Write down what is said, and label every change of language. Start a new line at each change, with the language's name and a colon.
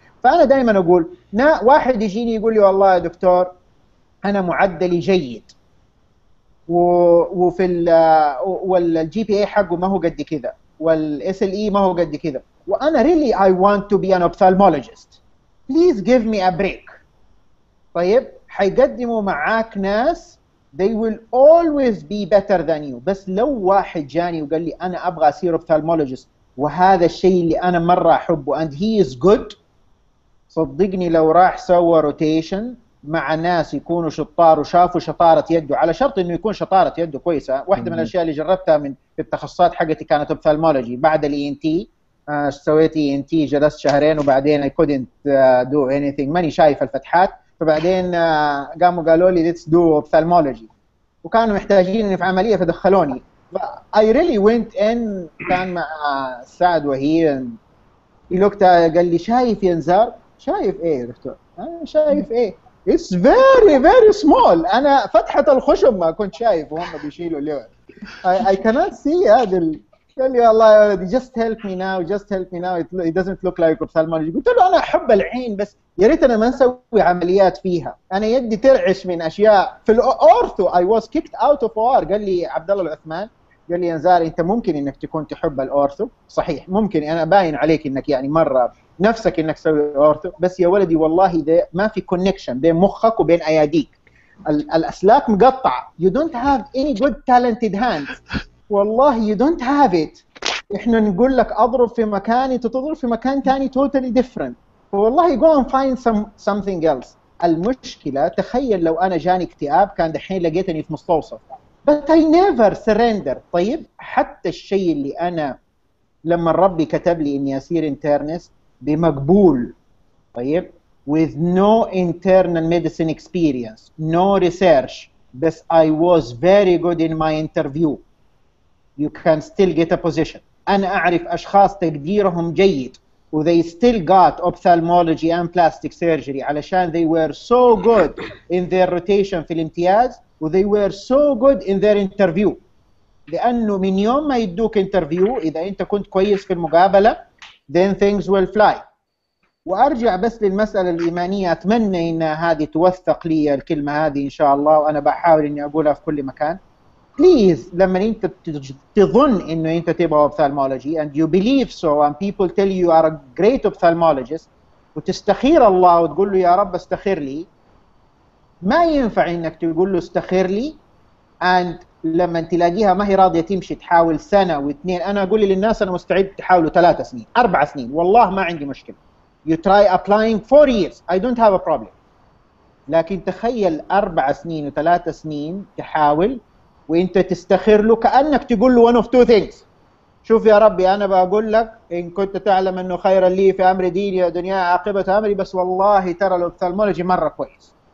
Arabic: فانا دائما اقول واحد يجيني يقول لي والله يا دكتور انا معدلي جيد وفي ال والجي بي اي حقه ما هو قد كذا، والاس ال اي ما هو قد كذا، وانا
English: ريلي اي وانت تو بي ان اوبثالمولوجيست، بليز جيف مي ا بريك.
Arabic: طيب، حيقدموا معاك ناس
English: they will always be better than you.
Arabic: بس لو واحد جاني وقال لي انا ابغى اصير اوبثالمولوجيست وهذا الشيء اللي انا مره احبه
English: and he is good،
Arabic: صدقني لو راح سوى روتيشن مع ناس يكونوا شطار وشافوا شطارة يده، على شرط انه يكون شطارة يده كويسة. واحدة من الاشياء اللي جربتها من في التخصصات حقتي كانت اوبثالمولوجي، بعد الاي ان تي سويت اي ان تي، جلست شهرين وبعدين
English: I couldn't do anything,
Arabic: ماني شايف الفتحات، فبعدين قاموا قالوا لي
English: let's do ophthalmology,
Arabic: وكانوا محتاجيني في عملية فدخلوني.
English: I really went in,
Arabic: كان مع سعد وهيل، لوكتا قال لي شايف يا نزار؟ شايف ايه يا دكتور؟ شايف ايه؟
English: It's very very small.
Arabic: أنا فتحة الخشم ما كنت شايف وهم بيشيلوا اليوم.
English: I cannot see هذا.
Arabic: قال لي الله
English: just help me now, just help me now. It doesn't look like ophthalmology.
Arabic: قلت له أنا أحب العين بس يا ريت أنا ما أسوي عمليات فيها. أنا يدي ترعش من أشياء في الأورثو.
English: I was kicked out of OR.
Arabic: قال لي عبد الله العثمان، قال لي يا نزار أنت ممكن إنك تكون تحب الأورثو، صحيح ممكن، أنا باين عليك إنك يعني مرة نفسك انك تسوي اورثو، بس يا ولدي والله ده ما في كونكشن بين مخك وبين اياديك، الاسلاك مقطعه،
English: you don't have any good talented hands,
Arabic: والله
English: you don't have it,
Arabic: احنا نقول لك اضرب في مكاني تضرب في مكان ثاني
English: totally different,
Arabic: والله
English: Go and find something else.
Arabic: المشكله تخيل لو انا جاني اكتئاب كان دحين لقيتني في مستوصف، بس
English: I never surrender.
Arabic: طيب، حتى الشيء اللي انا لما ربي كتب لي اني اصير انترنست بمقبول
English: طيب with no internal medicine experience, no research, but I was very good in my interview. You can still get a position.
Arabic: أنا أعرف أشخاص تقديرهم جيد
English: و they still got ophthalmology and plastic surgery علشان they were so good in their rotation
Arabic: في الامتياز
English: و they were so good in their interview.
Arabic: لأنه من يوم ما يدوك interview إذا أنت كنت كويس في المقابلة
English: then things will fly.
Arabic: وأرجع بس للمسألة الإيمانية، أتمنى إن هذه توثق لي الكلمة هذه إن شاء الله، وأنا بحاول إني أقولها في كل مكان. Please لما أنت تظن إنه أنت تبغى ophthalmology
English: and you believe so and people tell you are a great ophthalmologist
Arabic: وتستخير الله وتقول له يا رب استخير لي، ما ينفع إنك تقول له استخير لي and لما تلاقيها ما هي راضية تمشي تحاول سنة واثنين. أنا أقول للناس أنا مستعد تحاولوا 3 سنين 4 سنين والله ما عندي مشكلة.
English: You try applying 4 years, I don't have a problem.
Arabic: لكن تخيل 4 سنين وثلاثة سنين تحاول وانت تستخير له كأنك تقول له
English: one of two things.
Arabic: شوف يا ربي أنا بقول لك إن كنت تعلم أنه خير لي في أمر ديني ودنيا عاقبة أمري، بس والله ترى الأوبثالمولوجي مرة كويس.